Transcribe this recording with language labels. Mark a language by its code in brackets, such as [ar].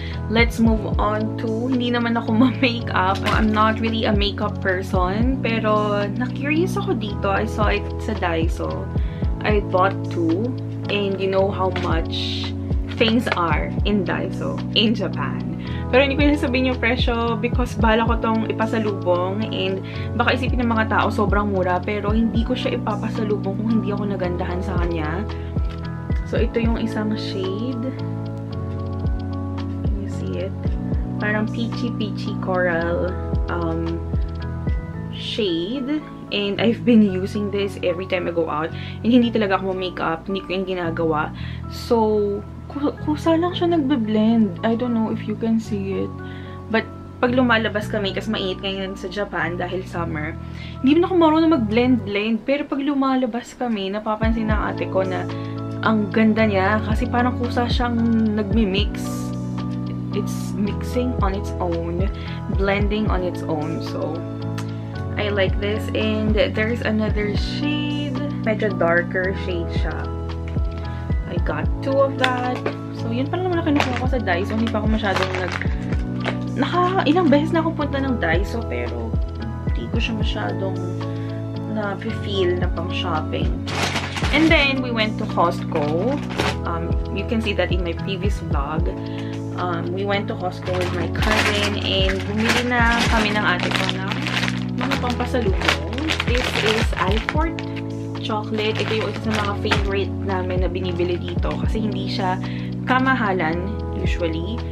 [en] Let's move on to, [tl] hindi naman ako ma-makeup. [en] I'm not really a makeup person, [tl] pero na-curious ako dito. [en] I saw it sa Daiso. I bought 2, and you know how much things are in Daiso in Japan. [tl] Pero hindi ko na sabihin yung presyo because bahala ko tong ipasalubong, and baka isipin ng mga tao sobrang mura, pero hindi ko siya ipapasalubong kung hindi ako nagandahan sa kanya. [en] So, [tl] ito yung isang [en] shade. Can you see it? [tl] Parang peachy-peachy coral shade. [en] And I've been using this every time I go out. And [tl] hindi talaga ako [en] makeup. [tl] Hindi ko yung ginagawa. So, kusa lang siya nagbe-blend. [en] I don't know if you can see it. [tl] But pag lumalabas kami, kasi mainit ngayon sa Japan dahil summer, hindi na ako marunong mag-blend-blend. Pero pag lumalabas kami, napapansin ng ate ko na ang ganda niya kasi parang kusa siyang nagmi-mix. [en] It's mixing on its own, blending on its own. So I like this. And there's another shade, medyo darker shade siya. I got 2 of that. [tl] So yun pa lang naman ako nakuha ko sa Daiso. Hindi pa ako masyadong ilang beses na akong punta ng Daiso, pero hindi ko siya masyadong na-feel na pang-shopping. [en] And then, we went to Costco. You can see that in my previous vlog. We went to Costco with my cousin. And [tl] bumili na kami ng ate ko ng ang pasalubong. [en] This is Alfort chocolate. [tl] Ito yung isa sa mga favorite namin na binibili dito kasi hindi siya kamahalan usually.